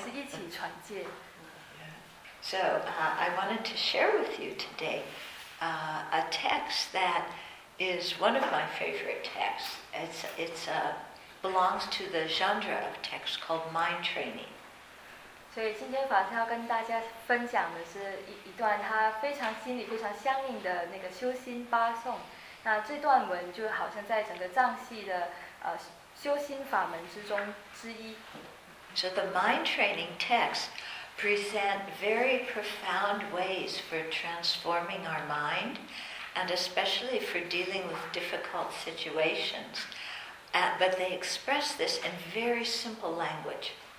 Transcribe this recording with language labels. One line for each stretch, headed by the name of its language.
Chinese: 所以这三位法师之中的那个法缘啊，已经有好一段时间了，然后还是一起传戒。
English: So I wanted to share with you today, a text that. Is one of my favorite texts. It belongs to the genre of texts called mind training.
Chinese: 所以今天法师要跟大家分享的是一段他非常心理非常相应的那个修心八颂。那这段文就好像在整个藏系的修心法门之中之一。
English: So the mind training texts present very profound ways for transforming our mind. And especially for dealing with difficult situations, but they express this in very simple language.